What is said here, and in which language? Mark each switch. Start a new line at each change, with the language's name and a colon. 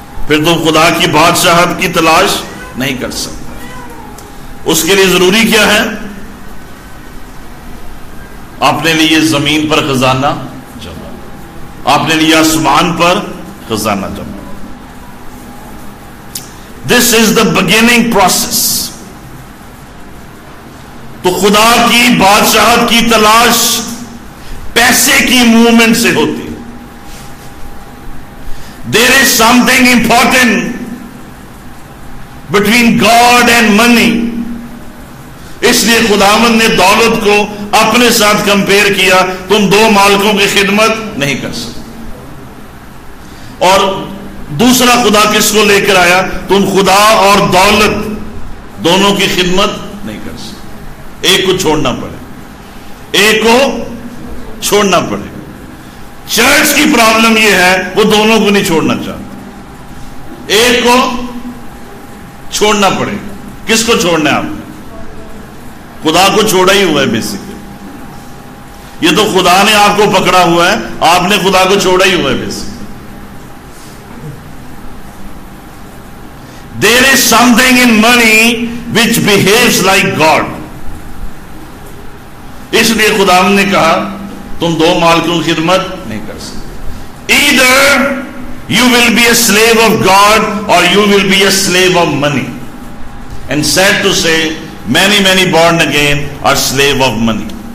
Urdu: پھر تم خدا کی بادشاہت کی تلاش نہیں کر سکتے. اس کے لیے ضروری کیا ہے؟ اپنے لیے زمین پر خزانہ جمع, اپنے لیے آسمان پر خزانہ جمع.
English: This is the beginning process.
Urdu: تو خدا کی بادشاہت کی تلاش پیسے کی موومنٹ سے ہوتی.
English: There is something important between God and money.
Urdu: اس لیے خداوند نے دولت کو اپنے ساتھ کمپیئر کیا, تم دو مالکوں کی خدمت نہیں کر سکتے. اور دوسرا خدا کس کو لے کر آیا؟ تم خدا اور دولت دونوں کی خدمت نہیں کر سکتے, ایک کو چھوڑنا پڑے, ایک کو چھوڑنا پڑے. چرچ کی پرابلم یہ ہے, وہ دونوں کو نہیں چھوڑنا چاہتا. ایک کو چھوڑنا پڑے. کس کو چھوڑنا ہے آپ؟ خدا کو چھوڑا ہی ہوا ہے بیسیکلی. یہ تو خدا نے آپ کو پکڑا ہوا ہے, آپ نے خدا کو چھوڑا ہی ہوا ہے basically.
English: There is something in money which behaves like God.
Urdu: اس لیے خدا نے کہا تم دو مالکوں کی خدمت نہیں کر سکتے.
English: Either you will be a slave of God or you will be a slave of money. And sad to say, many born again are slave of money.